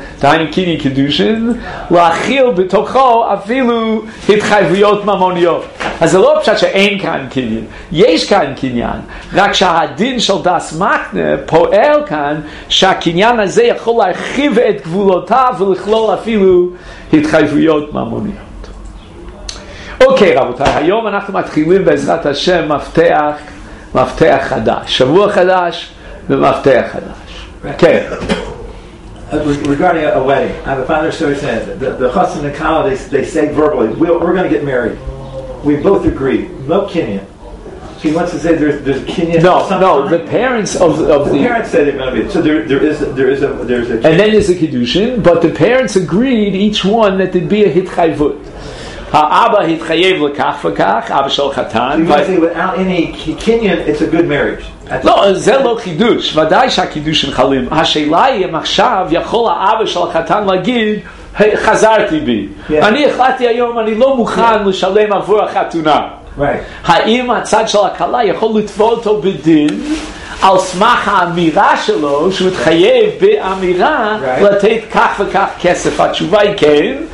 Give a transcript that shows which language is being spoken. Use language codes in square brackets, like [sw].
[he] דהיינו קניין קידושין להכיל בתוכו אפילו התחייבויות ממוניות אז זה לא פשוט שאין כאן קניין יש כאן קניין רק שהדין של דס מקנה פועל כאן שהקניין הזה יכול להרחיב את גבולותיו ולכלול אפילו התחייבויות ממוניות אוקיי, רבותיי, היום אנחנו מתחילים בעזרת השם מפתח חדש, שבוע חדש ומפתח חדש. כן. [en] Regarding a wedding, I have a father's story saying that the chassan and kala, they say verbally, we're going to get married. We both agree. No kinyan. He wants to say there's kinyan. No, the parents of the... The parents say they're going to be. So there's a... And then there's a kiddushin, but the parents agreed, each one, that there'd be a hitchayvut. [he] האבא התחייב לכך וכך, אבא של חתן. [en] So you say without any kinyan, it's a good marriage. [he] לא, זה לא חידוש. ודאי שהקידושים חלים. השאלה היא אם עכשיו יכול האבא של חתן להגיד, חזרתי בי. אני החלטתי היום, אני לא מוכן לשלם עבור החתונה. האם הצד של הקלה יכול לתבוע אותו בדין, על סמך האמירה שלו, שהוא התחייב באמירה, לתת כך וכך כסף. התשובה היא כן.